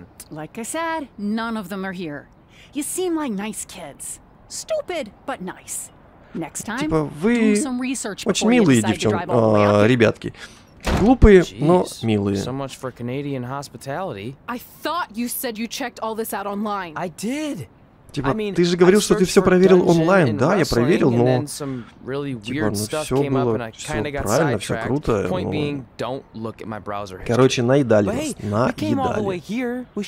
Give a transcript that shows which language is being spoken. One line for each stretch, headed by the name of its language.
English: Like I said, none of them are here. You seem like nice kids. Stupid, but nice.
Russian: Типа, вы очень милые ребятки. Глупые, но милые.
English: So much for Canadian hospitality. I thought you said you checked all this out online. I did.
Russian: Типа, ты же говорил, что ты все проверил онлайн. Да, я проверил, но... Типа, ну все было, все правильно, все круто, но... Короче, наедали нас, наедали.